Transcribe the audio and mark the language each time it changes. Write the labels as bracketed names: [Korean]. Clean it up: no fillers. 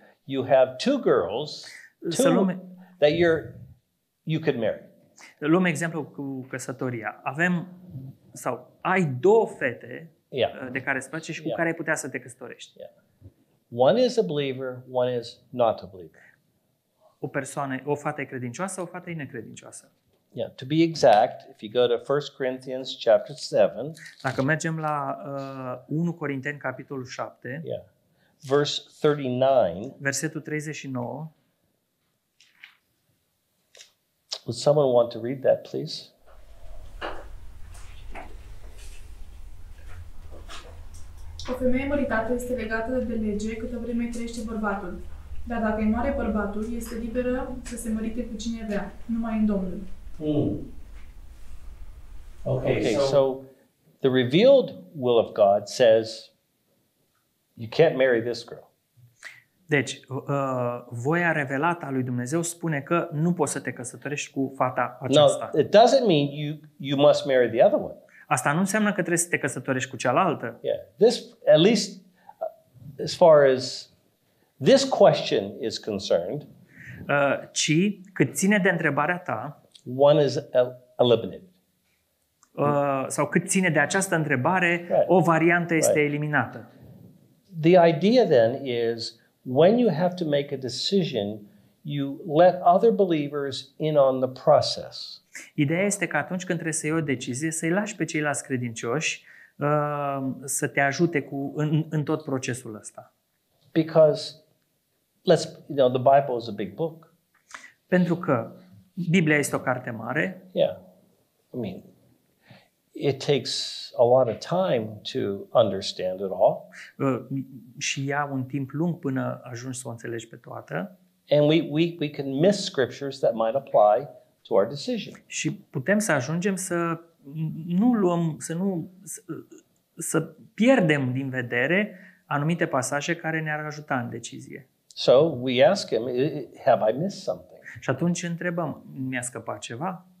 [English] You have two girls, that you could marry. [Romanian] Luăm exemplu cu căsătoria. Avem sau ai două fete, [English] yeah, [Romanian] de care îți place și cu, yeah, care ai putea să te căsătorești. [English] Yeah. One is a believer, one is not a believer. [Romanian] O persoană, o fată e credincioasă, o fată e necredincioasă. [English] Yeah, to be exact, if you go to 1 Corinthians chapter 7, [Romanian] dacă mergem la 1 Corinteni capitolul 7, [English] yeah, verse 39, [Romanian] versetul 39. [English] Would someone want to read that, please? [Romanian] O femeie măritată este legată de lege câtă vreme trăiește bărbatul. Dar dacă îi moare bărbatul, este liberă să se mărite cu cine vrea, numai în Domnul. [English] Okay, so the revealed will of God says you can't marry this girl. [Romanian] Deci, voia revelată a lui Dumnezeu spune că nu poți să te căsătorești cu fata aceasta. [English] No, it doesn't mean you must marry the other one. [Romanian] Asta nu înseamnă că trebuie să te căsătorești cu cealaltă. [English] Yeah, this at least as far as this question is concerned. [Romanian] Ci cât ține de întrebarea ta. [English] One is eliminated. [Romanian] Sau cât ține de această întrebare, right. O variantă este right. Eliminată. [English] The idea then is when you have to make a decision, you let other believers in on the process. [Romanian] Ideea este că atunci când trebuie să iei o decizie, să-i lași pe ceilalți credincioși să te ajute cu în tot procesul ăsta. [English] Because let's, you know, the Bible is a big book. [Romanian] Pentru că Biblia este o carte mare. [English] Yeah. I mean, it takes a lot of time to understand it all. [Romanian] Și ia un timp lung până ajungi să o înțelegi pe toată. [English] And we can miss scriptures that might apply to our decision. [Romanian] Și putem să ajungem să nu luăm, să pierdem din vedere anumite pasaje care ne-ar ajuta în decizie. [English] So we ask him, have I missed something? [Romanian] Și atunci întrebăm, mi-a scăpat ceva?